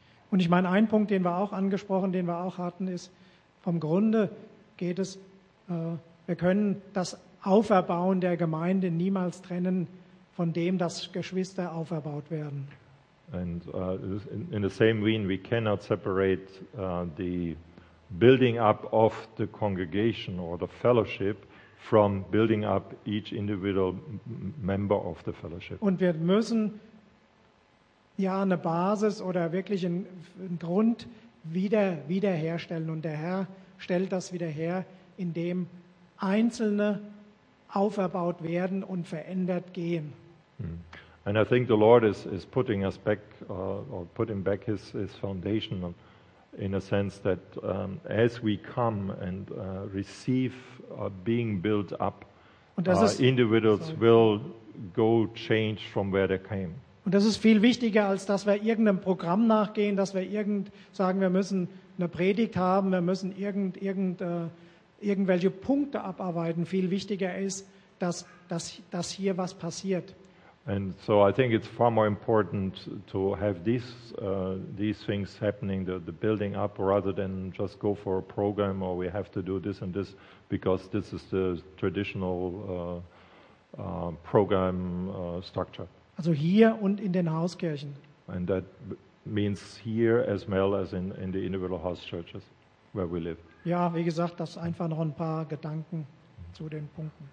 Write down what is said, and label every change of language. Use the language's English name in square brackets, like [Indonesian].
[German] Und ich meine, ein Punkt, den wir auch hatten, ist, vom Grunde geht es, wir können das Auferbauen der Gemeinde niemals trennen von dem, dass Geschwister auferbaut werden. [English] And in the same vein, we cannot separate the building up of the congregation or the fellowship from building up each individual member of the fellowship. [German] Und wir müssen ja eine Basis oder wirklich einen Grund wiederherstellen. Und der Herr stellt das wieder her, indem Einzelne auferbaut werden und verändert gehen. [English] And I think the Lord is putting us back or putting back his foundation in a sense that as we come and receive being built up, individuals will go change from where they came. [German] Und das ist viel wichtiger, als dass wir irgendeinem Programm nachgehen, dass wir sagen, wir müssen eine Predigt haben, wir müssen irgendwelche Punkte abarbeiten. Viel wichtiger ist, dass hier was passiert. [English] And so I think it's far more important to have these things happening, the building up, rather than just go for a program or we have to do this and this because this is the traditional program structure. [German] Also hier und in den Hauskirchen. [English] And that means here as well as in the individual house churches where we live. [German] Ja, wie gesagt, das einfach noch ein paar Gedanken zu den Punkten.